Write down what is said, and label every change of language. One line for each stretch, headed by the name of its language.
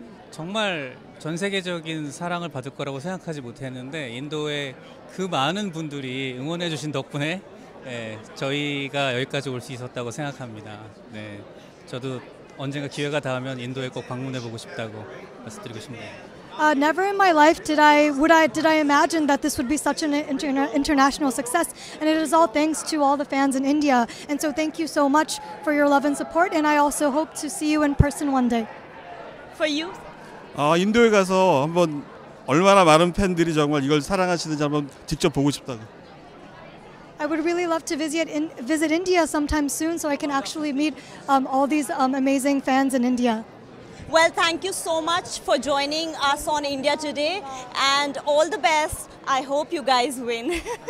Korean: 정말 전 세계적인 사랑을 받을 거라고 생각하지 못했는데 인도에 그 많은 분들이 응원해 주신 덕분에 네, 저희가 여기까지 올 수 있었다고 생각합니다. 네, 저도 언젠가 기회가 닿으면 인도에 꼭 방문해 보고 싶다고 말씀드리고 싶네요.
English: Never in my life did I imagine that this would be such an international success, and it is all thanks to all the fans in India. And so thank you so much for your love and support, and I also hope to see you in person one day. For you?
Korean: 인도에 가서 한번 얼마나 많은 팬들이 정말 이걸 사랑하시는지 한번 직접 보고 싶다고.
English: I would really love to visit India sometime soon so I can actually meet all these amazing fans in India. Well, thank you so much for joining us on India Today and all the best. I hope you guys win.